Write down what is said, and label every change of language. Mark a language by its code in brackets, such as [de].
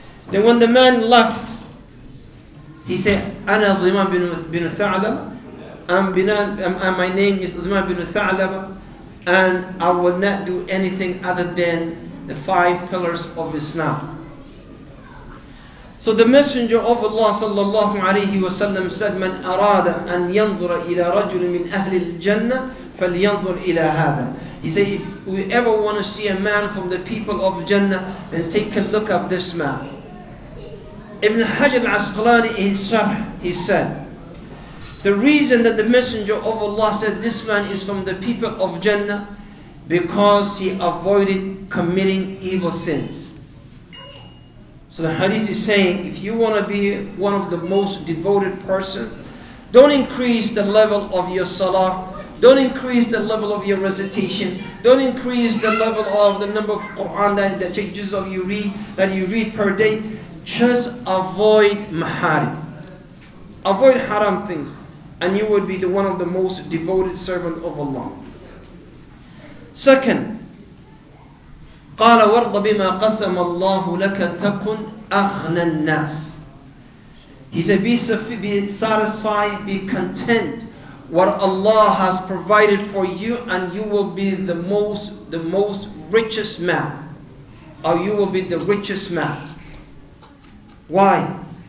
[en] Then when the man left, he said, [ar] أنا ضمام بن ثعلبة. [en] My name is Uthman bin Thalaba, and I will not do anything other than the 5 pillars of Islam. So the Messenger of Allah sallallahu alayhi wa sallam said, [ar] من أراد أن ينظر إلى رجل من أهل الجنة فلينظر إلى هذا. [en] He said, if we ever want to see a man from the people of Jannah, then take a look at this man. Ibn Hajar al-Asqalani, he said, The reason that the Messenger of Allah said this man is from the people of Jannah, because he avoided committing evil sins. So the hadith is saying, if you want to be one of the most devoted persons, don't increase the level of your salah, don't increase the level of your recitation, don't increase the level of the number of Quran that the changes of you read, that you read per day. Just avoid maharim. Avoid haram things, and you would be the one of the most devoted servants of Allah. Second, [ar] قَالَ وَرْضَ بِمَا قَسَمَ اللَّهُ لَكَ تَكُنْ أَغْنَى النَّاسِ. [en] He said, be satisfied, be content what Allah has provided for you, and you will be the most richest man. Or you will be the richest man. Why?